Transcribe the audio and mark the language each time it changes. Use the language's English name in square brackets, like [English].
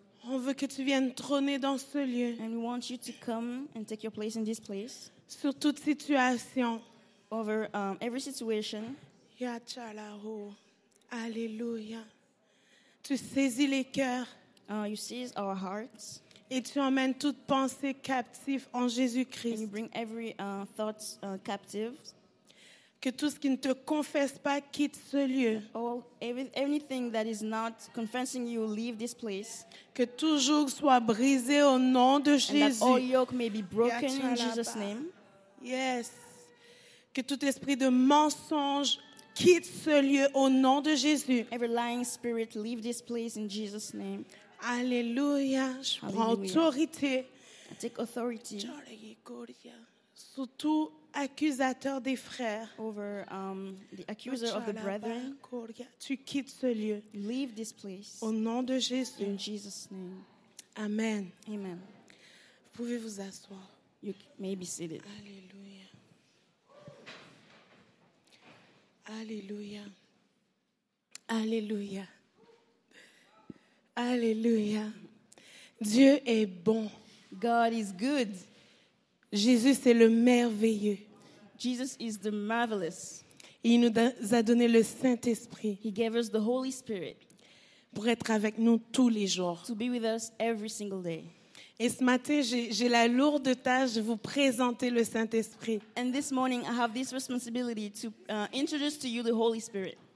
[French] On veut que tu viennes trôner dans ce lieu. [English] And we want you to come and take your place in this place. [French] Sur toute situation. [English] Over every situation. [French] Yachalaho. Alléluia. Tu saisis les cœurs. [English] You seize our hearts. [French] Et tu emmènes toute pensée captive en Jésus-Christ. [English] And you bring every thought captive. [French] Que tout ce qui ne te confesse pas quitte ce lieu. [English] Anything that is not confessing you, leave this place. [French] Que tout joug soit brisé au nom de Jésus. [English] And that all yoke may be broken in Jesus' name. Yes. [French] Que tout esprit de mensonge quitte ce lieu au nom de Jésus. [English] Every lying spirit, leave this place in Jesus' name. [French] Alléluia. Je prends autorité. [English] I take authority. [French] Sous tout accusateur des frères. [English] Over the accuser of the brethren. [French] Tu quittes ce lieu. [English] Leave this place. [French] Au nom de Jésus. [English] In Jesus' name. Amen. Amen. [French] Vous pouvez vous asseoir. [English] You may be seated. Alléluia. Alléluia. Alléluia. Alléluia. [French] Dieu est bon. [English] God is good. [French] Jésus, c'est le merveilleux. [English] Jesus is the marvelous. [French] Il nous a donné le Saint-Esprit. [English] He gave us the Holy Spirit. [French] Pour être avec nous tous les jours. [English] To be with us every single day. [French] Et ce matin, j'ai la lourde tâche de vous présenter le Saint-Esprit. [English] And this morning, I have this responsibility to introduce to you the Holy Spirit.